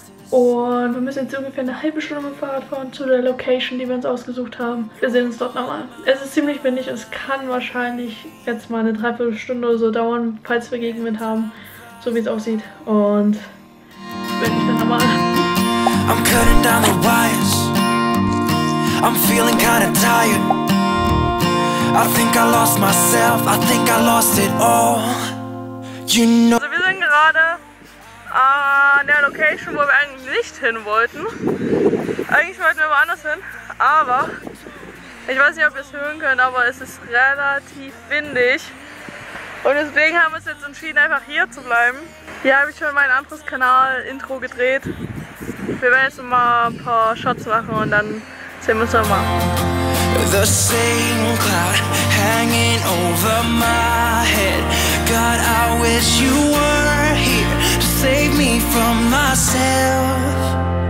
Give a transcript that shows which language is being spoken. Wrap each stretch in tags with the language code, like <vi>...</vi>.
<de>Und wir müssen jetzt ungefähr eine halbe Stunde mit Fahrrad fahren zu der Location, die wir uns ausgesucht haben. Wir sehen uns dort nochmal. Es ist ziemlich windig, es kann wahrscheinlich jetzt mal eine Dreiviertelstunde oder so dauern, falls wir Gegenwind haben, so wie es aussieht. Und wenn ich dann nochmal.</de> <en>I'm cutting down the wires. I'm feeling kinda tired. I think I lost myself, I think I lost it all. You know.</en> <de>Also wir sind gerade an der Location, wo wir eigentlich nicht hin wollten. Eigentlich wollten wir woanders hin, aber ich weiß nicht, ob ihr es hören könnt, aber es ist relativ windig. Und deswegen haben wir uns jetzt entschieden, einfach hier zu bleiben. Hier habe ich schon mein anderes Kanal-Intro gedreht. Wir werden jetzt mal ein paar Shots machen und dann sehen wir uns nochmal.</de> <en>The same cloud hanging over my head. God, I wish you were here to save me from myself.</en>